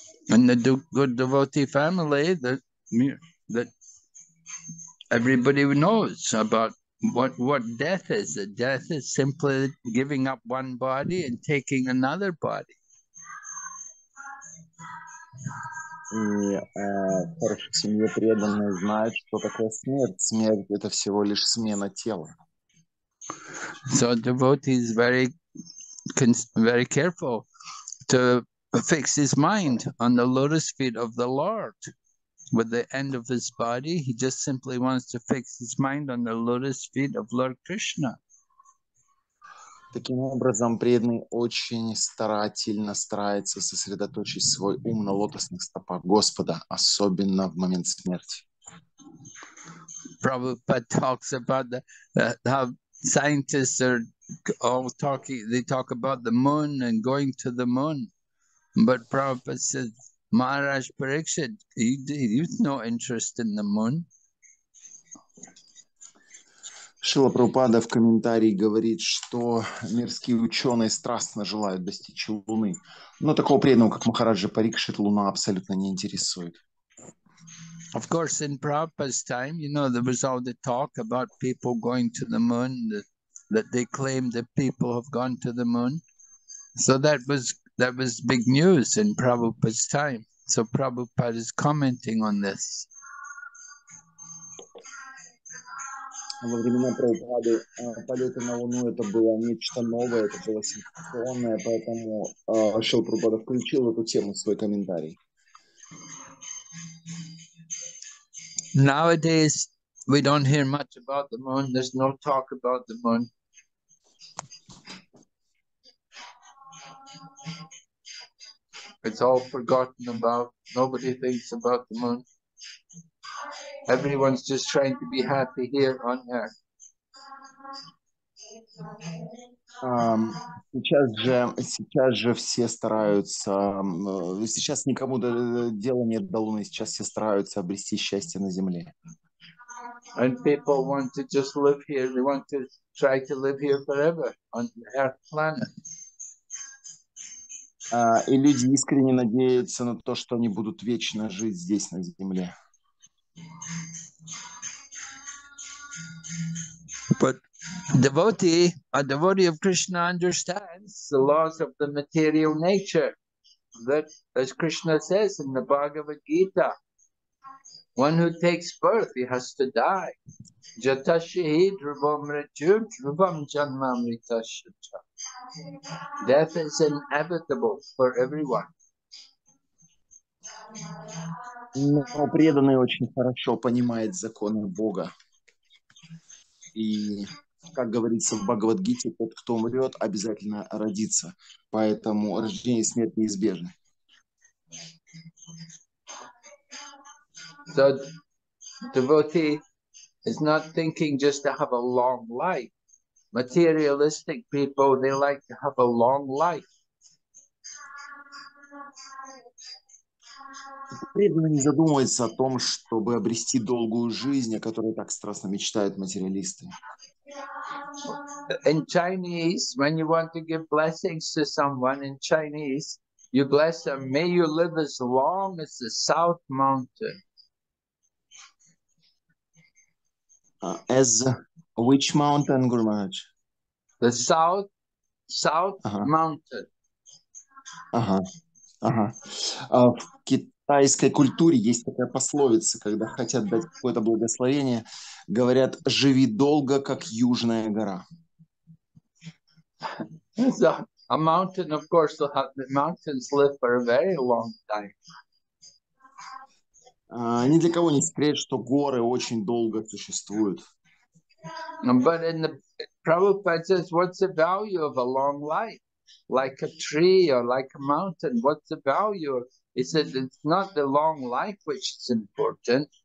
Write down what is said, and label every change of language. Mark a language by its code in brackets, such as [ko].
[en] In the good devotee family, that everybody knows about what death is. That death is simply giving up one body and taking another body. [ru] И хорошо, семье преданные знают, что такое смерть. Смерть — это всего лишь смена тела. [en] So devotee is very careful to fix his mind on the lotus feet of the Lord. With the end of his body, he just simply wants to fix his mind on the lotus feet of Lord Krishna. [ru] Таким образом, преданный очень старательно старается сосредоточить свой ум на лотосных стопах Господа, особенно в момент смерти. [en] Prabhupada talks about how scientists are all talking, they talk about the moon and going to the moon. But Prabhupada says, Maharaj Parikshit, you've no interest in the moon. [ru] Шрила Прабхупада в комментарии говорит, что мирские ученые страстно желают достичь Луны. Но такого преданного, как Махараджа Парикшит, Луна абсолютно не интересует. [en] Of course, in Prabhupada's time, you know, there was all the talk about people going to the moon, that they claimed that people have gone to the moon. So that was big news in Prabhupada's time. So Prabhupada is commenting on this. [ru] Во времена Прабхупады полеты на Луну это было нечто новое, это было сенсационное, поэтому Шрила Прабхупада включил эту тему в свой комментарий. [en] Nowadays we don't hear much about the moon. There's no talk about the moon. It's all forgotten about. Nobody thinks about the moon. Everyone's just trying to be happy here on earth. [ru] Сейчас же все стараются, сейчас никому дела нет до Луны, сейчас все стараются обрести счастье на Земле. [en] And people want to just live here, they want to try to live here forever on the earth planet. [ru] И люди искренне надеются на то, что они будут вечно жить здесь, на Земле. [en] But a devotee of Krishna understands the laws of the material nature. That, as Krishna says in the Bhagavad Gita, one who takes birth, he has to die. [sa] Jatashihi dhruvam rajyu dhruvam janma mritashyata. [en] Death is inevitable for everyone. [ru] Но преданный очень хорошо понимает законы Бога. И, как говорится в Бхагавад-гите, тот, кто умрет, обязательно родится. Поэтому рождение и смерть неизбежны. [en] So, devotee is not thinking just to have a long life. Materialistic people, they like to have a long life. [ru] Преданный не задумывается о том, чтобы обрести долгую жизнь, о которой так страстно мечтают материалисты. [en] In Chinese, when you want to give blessings to someone in Chinese, you bless them, may you live as long as the South Mountain. As which mountain, Guru Maharaj? The South Mountain. [ru] Ага. В тайской культуре есть такая пословица, когда хотят дать какое-то благословение, говорят: «Живи долго, как южная гора». [en] A mountain, of course, the mountains live for a very long time. [ru] Ни для кого не секрет, что горы очень долго существуют. [en] But in the Prabhupada says, what's the value of a long life? Like a tree or like a mountain, what's the value? He said, it's not the long life which is important.